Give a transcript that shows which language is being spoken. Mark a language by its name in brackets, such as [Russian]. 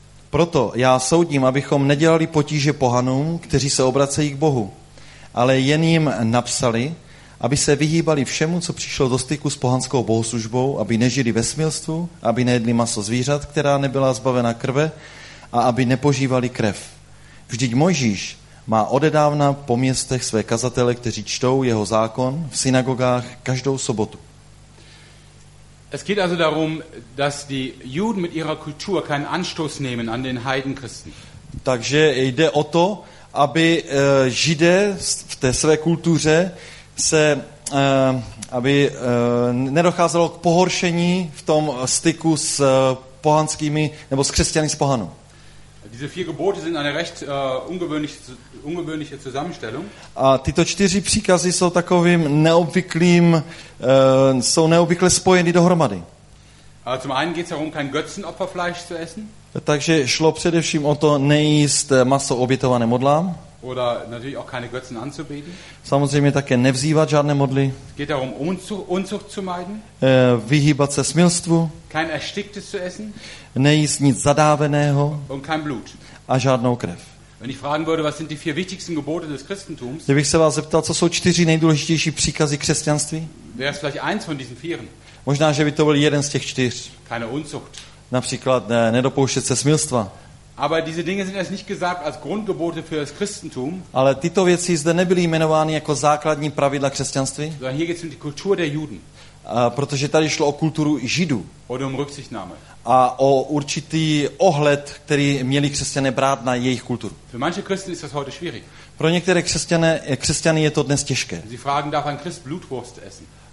[Czech] Proto já soudím, abychom nedělali potíže pohanům, kteří se obracejí k Bohu, ale jen jim napsali, aby se vyhýbali všemu, co přišlo do styku s pohanskou bohoslužbou, aby nežili ve smilstvu, aby nejedli maso zvířat, která nebyla zbavena krve, a aby nepožívali krev. Vždyť Mojžíš má odedávna po městech své kazatele, kteří čtou jeho zákon v synagogách každou sobotu. [German] Es geht also darum, dass die Juden mit ihrer Kultur keinen Anstoß nehmen an den Heidenchristen. [Czech] Takže jde o to, aby Židé v té své kultuře se aby nedocházelo k pohoršení v tom styku s pohanskými nebo s křesťany z pohanů. [German] Diese vier Gebote sind eine recht ungewöhnliche Zusammenstellung. [Czech] A tyto čtyři příkazy jsou takovým neobvyklým, jsou neobvykle spojeny dohromady. [German] Zum einen geht es darum, kein Götzenopferfleisch zu essen. [Czech] Takže šlo především o to nejíst maso obětované modlám. [German] Oder natürlich auch keine Götzen anzubeten. [Czech] Samozřejmě také nevzývat žádné modly. [German] Es geht darum, Unzucht zu meiden. [Czech] Vyhýbat se smilstvu. [German] Kein Ersticktes zu essen. [Czech] Nejíst nic zadáveného. [German] Und kein Blut. [Czech] A žádnou krev. [German] Wenn ich fragen würde, was sind die vier wichtigsten Gebote des Christentums? [Czech] Kdybych se vás zeptal, co jsou čtyři nejdůležitější příkazy křesťanství? [German] Wäre es vielleicht eins von diesen vieren. [Czech] Možná, že by to byl jeden z těch čtyř. [German] Keine Unzucht. [Czech] Například nedopouštět se smilstva. [German] Aber diese Dinge sind erst nicht gesagt als Grundgebote für das Christentum. [Czech] Ale tyto věci zde nebyly jmenovány jako základní pravidla křesťanství. [German] Sondern hier geht es um die Kultur der Juden. [Czech] Protože tady šlo o kulturu Židů. [German] Oder um Rücksichtnahme. [Czech] A o určitý ohled, který měli křesťané brát na jejich kulturu. [German] Für manche Christen ist das heute schwierig. [Czech] Pro některé křesťany je to dnes těžké. [German] Sie fragen, darf ein Christ Blutwurst essen?